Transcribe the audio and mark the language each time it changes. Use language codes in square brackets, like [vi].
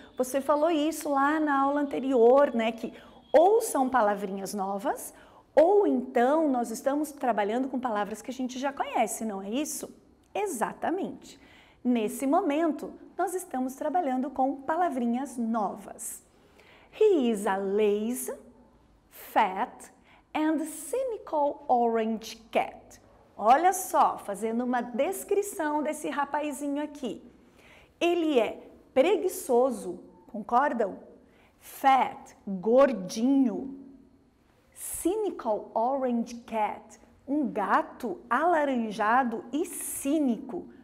[pt] Você falou isso lá na aula anterior, né? Que ou são palavrinhas novas, ou então nós estamos trabalhando com palavras que a gente já conhece, não é isso? Exatamente. Nesse momento, nós estamos trabalhando com palavrinhas novas. [en] He is a lazy, fat and cynical orange cat. [pt] Olha só, fazendo uma descrição desse rapazinho aqui. Ele é preguiçoso, concordam? Fat, gordinho. Cynical orange cat, um gato alaranjado e cínico.